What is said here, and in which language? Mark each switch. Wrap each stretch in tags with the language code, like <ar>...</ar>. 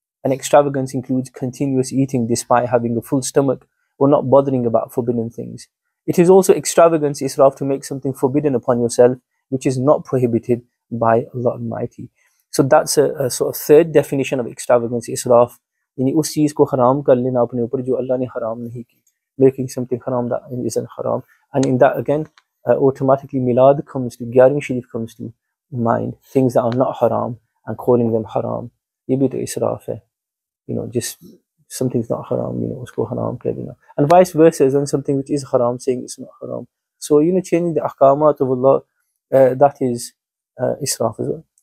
<en>And extravagance includes continuous eating despite having a full stomach or not bothering about forbidden things. It is also extravagance, israf, to make something forbidden upon yourself, which is not prohibited by Allah Almighty. So that's a sort of third definition of extravagance, israf.</en> <ur>یعنی اس چیز کو حرام کر لینا اپنے اوپر جو اللہ نے حرام نہیں کی۔</ur> <en>Making something haram that isn't haram. And in that, again, automatically Milad comes to, Gyarim Sharif comes to mind, things that are not haram and calling them haram. Ibit israf, you know, just something's not haram, you know,</en> <ur>usko haram keh dena.</ur> <en>And vice versa, and something which is haram, saying it's not haram. So, you know, changing the ahkamat of Allah, that is israf as well.</en>